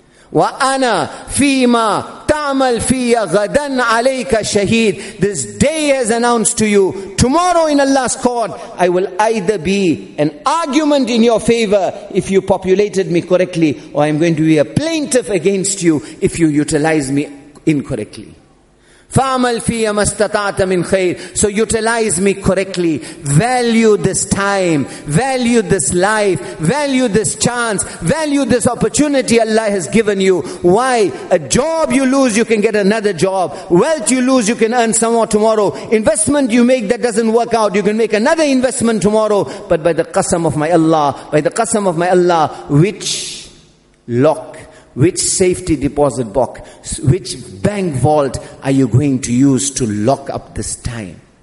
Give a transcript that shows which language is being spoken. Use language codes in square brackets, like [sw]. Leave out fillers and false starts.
[ar] Wa ana fima ta'mal fiya ghadan alayka shaheed. [en] This day has announced to you, tomorrow in Allah's court, I will either be an argument in your favor if you populated me correctly, or I'm going to be a plaintiff against you if you utilize me incorrectly. [ar] فَعْمَلْ فِيَ مَسْتَطَعْتَ مِنْ خَيْرٍ [en] So utilize me correctly. Value this time. Value this life. Value this chance. Value this opportunity Allah has given you. Why? A job you lose, you can get another job. Wealth you lose, you can earn some more tomorrow. Investment you make that doesn't work out, you can make another investment tomorrow. But by the qasam of my Allah, by the qasam of my Allah, which lock, which safety deposit box, which bank vault are you going to use to lock up this time?